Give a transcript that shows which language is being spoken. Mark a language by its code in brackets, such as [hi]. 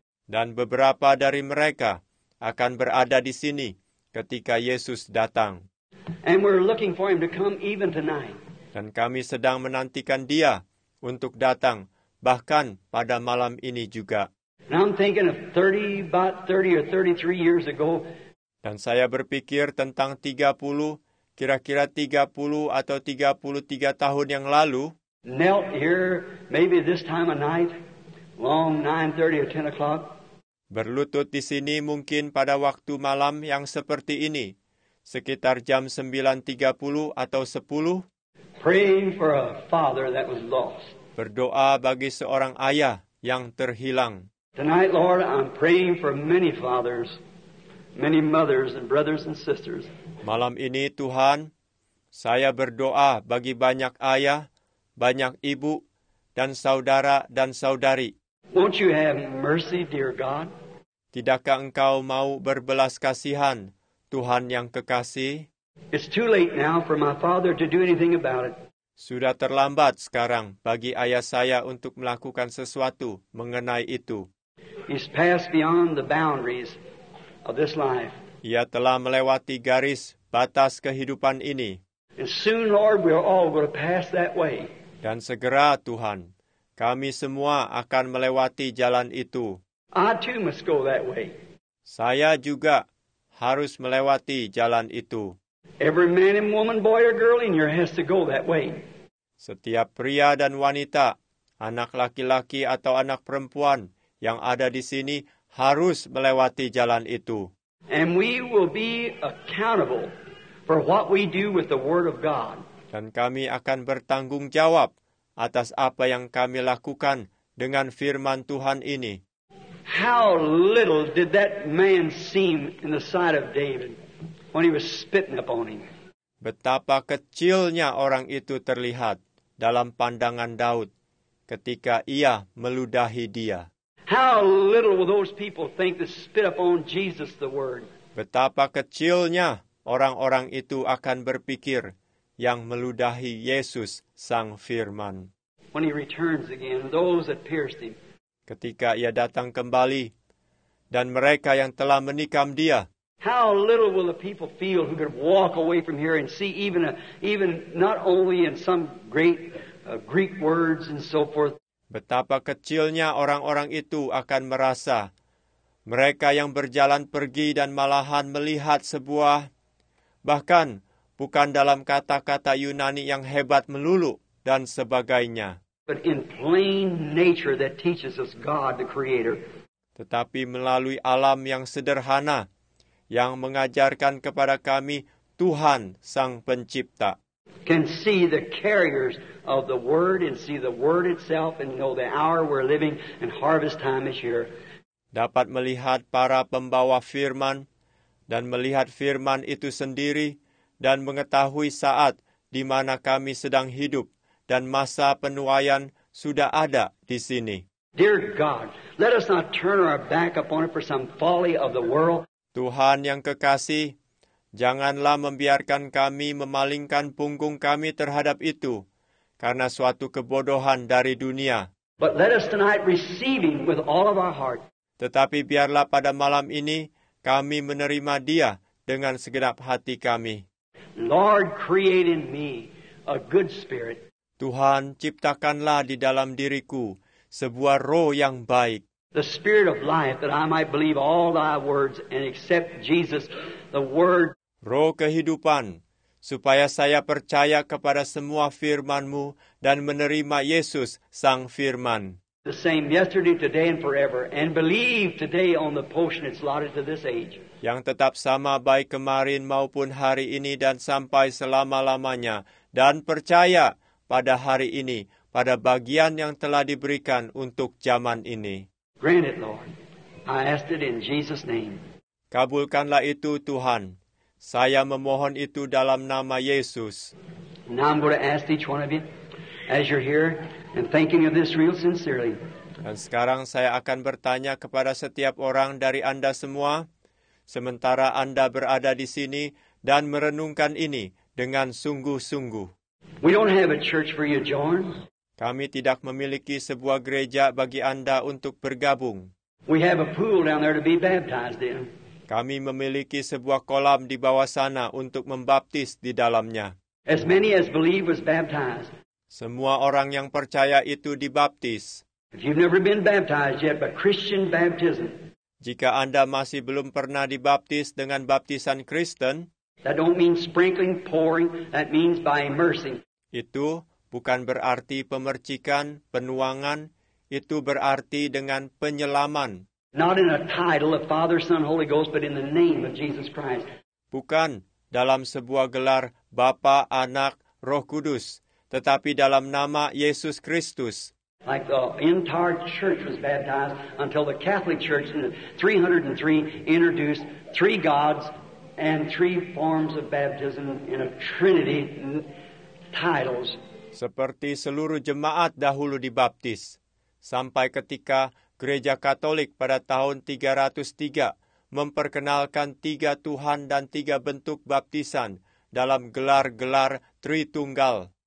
[id] Dan beberapa dari mereka akan berada di sini ketika Yesus datang. [en] And we're looking for him to come even tonight. [id] Dan kami sedang menantikan dia untuk datang bahkan pada malam ini juga. [en] And I'm thinking of 30 or 33 years ago. [id] Dan saya berpikir tentang 30, kira-kira 30 atau 33 tahun yang lalu. [en] Knelt here, maybe this time of night, long 9:30 or 10 o'clock. [id] Berlutut di sini mungkin pada waktu malam yang seperti ini, sekitar jam 9:30 atau 10. [en] Praying for a father that was lost. [id] Berdoa bagi seorang ayah yang terhilang. [en] Tonight, Lord, I'm praying for many fathers, many mothers and brothers and sisters. [id] Malam ini, Tuhan, saya berdoa bagi banyak ayah, banyak ibu, dan saudara dan saudari. [en] Won't you have mercy, dear God? [id] Tidakkah Engkau mau berbelas kasihan, Tuhan yang kekasih? [en] It's too late now for my father to do anything about it. [id] Sudah terlambat sekarang bagi ayah saya untuk melakukan sesuatu mengenai itu. [en] He's passed beyond the boundaries of this life. [id] Ia telah melewati garis batas kehidupan ini. [en] And soon, Lord, we're all going to pass that way. [id] Dan segera, Tuhan, kami semua akan melewati jalan itu. [en] I too must go that way. [id] Saya juga harus melewati jalan itu. [en] Every man and woman, boy or girl in here has to go that way. [id] Setiap pria dan wanita, anak laki-laki atau anak perempuan yang ada di sini harus melewati jalan itu. [en] And we will be accountable for what we do with the Word of God. [id] Dan kami akan bertanggung jawab atas apa yang kami lakukan dengan firman Tuhan ini. [en] How little did that man seem in the sight of David when he was spitting upon him? [id] Betapa kecilnya orang itu terlihat dalam pandangan Daud ketika ia meludahi dia. [en] How little will those people think to spit upon Jesus the Word? [id] Betapa kecilnya orang-orang itu akan berpikir yang meludahi Yesus sang Firman. [en] When he returns again, those that pierced him. [id] Ketika ia datang kembali dan mereka yang telah menikam dia. [en] How little will the people feel who could walk away from here and see even not only in some great Greek words and so forth. [id] Betapa kecilnya orang-orang itu akan merasa mereka yang berjalan pergi dan malahan melihat sebuah bahkan bukan dalam kata-kata Yunani yang hebat melulu dan sebagainya. [en] But in plain nature that teaches us God the Creator. [id] Tetapi melalui alam yang sederhana yang mengajarkan kepada kami Tuhan Sang Pencipta. [en] Can see the carriers of the Word and see the Word itself and know the hour we're living and harvest time is here. [id] Dapat melihat para pembawa firman dan melihat firman itu sendiri dan mengetahui saat di mana kami sedang hidup dan masa penuaian sudah ada di sini. [en] Dear God, let us not turn our back upon it for some folly of the world. [id] Tuhan yang kekasih, janganlah membiarkan kami memalingkan punggung kami terhadap itu karena suatu kebodohan dari dunia. [en] But let us tonight receive him with all of our heart. [id] Tetapi biarlah pada malam ini kami menerima dia dengan segenap hati kami. [en] Lord, create in me a good spirit. [id] Tuhan, ciptakanlah di dalam diriku sebuah roh yang baik. [en] The spirit of life that I might believe all thy words and accept Jesus the word. [id] Roh kehidupan supaya saya percaya kepada semua firman-Mu dan menerima Yesus sang firman. [en] The same yesterday today and forever and believe today on the portion it's allotted to this age. [id] Yang tetap sama baik kemarin maupun hari ini dan sampai selama-lamanya dan percaya pada hari ini pada bagian yang telah diberikan untuk zaman ini. [en] Grant it, Lord. I ask it in Jesus' name. [id] Kabulkanlah itu, Tuhan. Saya memohon itu dalam nama Yesus. [en] Now I'm going to ask each one of you, as you're here, and thinking of this real sincerely. [id] Dan sekarang saya akan bertanya kepada setiap orang dari Anda semua, sementara Anda berada di sini dan merenungkan ini dengan sungguh-sungguh. [en] We don't have a church for you, John. [id] Kami tidak memiliki sebuah gereja bagi Anda untuk bergabung. [en] We have a pool down there to be baptized in. [id] Kami memiliki sebuah kolam di bawah sana untuk membaptis di dalamnya. [en] As many as believe was baptized. [id] Semua orang yang percaya itu dibaptis. [en] If you've never been baptized yet, but Christian baptism. [id] Jika Anda masih belum pernah dibaptis dengan baptisan Kristen, [en] that don't mean sprinkling, pouring, that means by immersing. [id] Itu bukan berarti pemercikan, penuangan, itu berarti dengan penyelaman. [en] Not in a title of Father, Son, Holy Ghost, but in the name of Jesus Christ. [id] Bukan dalam sebuah gelar Bapa, Anak, Roh Kudus, tetapi dalam nama Yesus Kristus. [en] Like the entire church was baptized until the Catholic Church in 303 introduced three gods and three forms of baptism in a trinity titles. [id] Seperti seluruh jemaat dahulu dibaptis, sampai ketika Gereja Katolik pada tahun 303 memperkenalkan tiga Tuhan dan tiga bentuk baptisan dalam gelar-gelar Tritunggal.